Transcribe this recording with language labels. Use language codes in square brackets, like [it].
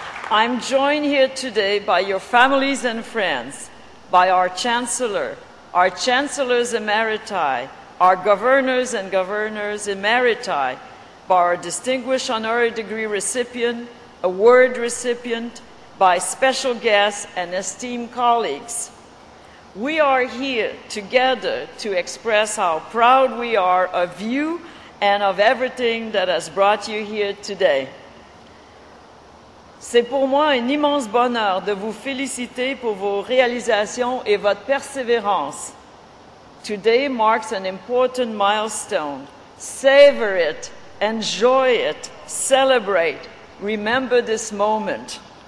[en] I'm joined here today by your families and friends, by our chancellors emeriti, our governors and governors emeriti, by our distinguished honorary degree recipient, award recipient, by special guests and esteemed colleagues. We are here together to express how proud we are of you and of everything that has brought you here today. [fr] C'est pour moi un immense bonheur de vous féliciter pour vos réalisations et votre persévérance. [en] Today marks an important milestone. Savor it, enjoy it, celebrate, remember this moment.